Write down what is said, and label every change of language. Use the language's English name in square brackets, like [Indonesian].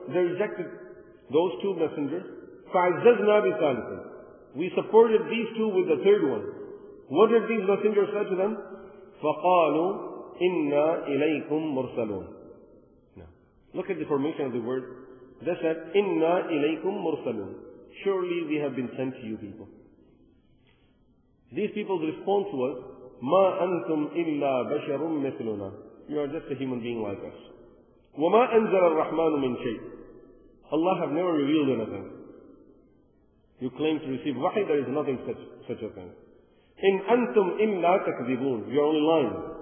[English] They rejected those two messengers. [Arabic] فَعَزَّزْنَا بِثَالِثٍ. [English] We supported these two with the third one. What did these messengers say to them? [Arabic] فَقَالُوا إِنَّا إِلَيْكُمْ مُرْسَلُونَ. [English] Now, look at the formation of the word. They said, [Arabic] إِنَّا إِلَيْكُمْ مُرْسَلُونَ. [English] Surely we have been sent to you people. These people's response was, [Arabic] مَا أَنْتُمْ إِلَّا بَشَرٌ مِثْلُنَا. [English] You are just a human being like us. [Arabic] وَمَا أَنْزَلَ الرَّحْمَنُ مِنْ شَيْءٍ. [English] Allah have never revealed anything. You claim to receive wahi, there is nothing such a thing. [Arabic] إِنْ أَنْتُمْ إِلَّا تَكْذِبُونَ. [English] You're only lying.